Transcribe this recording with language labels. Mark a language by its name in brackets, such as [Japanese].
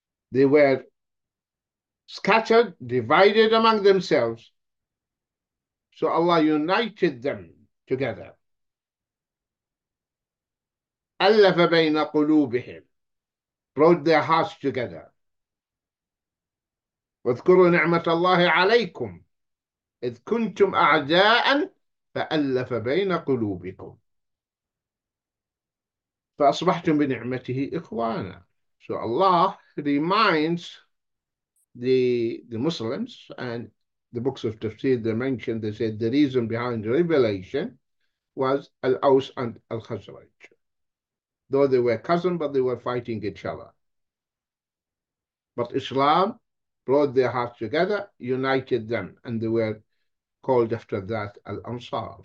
[English] They were scattered, divided among themselves. So Allah united them together. [Arabic] أَلَّفَ بَيْنَ قُلُوبِهِمْ, [English] brought their hearts together. [Arabic] واذكروا نعمة الله عليكم إذ كنتم أعداء فألف بين قلوبكم فأصبحتم بنعمته إخوانا. [English] So Allah reminds the Muslims, and the books of Tafsir, they mentioned, they said the reason behind revelation was Al-Aws and Al-Khazraj. Though they were cousins, but they were fighting each other. But Islam brought their hearts together, united them, and they were called after that Al-Ansar.